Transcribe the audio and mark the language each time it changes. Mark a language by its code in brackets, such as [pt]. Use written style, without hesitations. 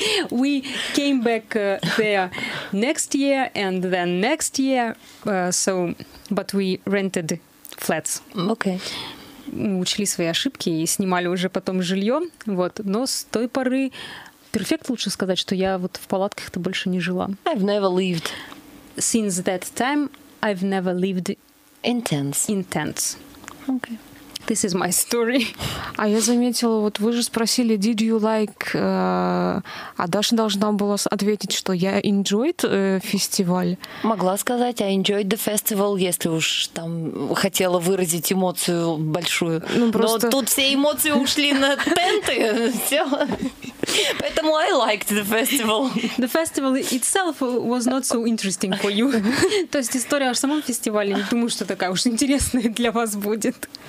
[en] We came back there next year and then next year. But we rented flats. Okay. [ru] Мы учли свои ошибки и снимали уже потом жилье. Вот. Но с той поры перфект лучше сказать, что я вот в палатках-то больше не жила. [en] I've never lived since that time. I've never lived in tents. In tents. Okay. This is my story. [ru] А я заметила, вот вы же спросили, [en] did you like... [ru] А Даша должна была ответить, что я enjoyed фестиваль. Могла сказать, [en] I enjoyed the festival, [ru] если уж там хотела выразить эмоцию большую. Ну, просто... Но тут все эмоции ушли на тенты, все. [en] Поэтому I liked the festival. The festival itself was not so interesting for you. [ru] То есть история о самом фестивале, не думаю, что такая уж интересная для вас будет.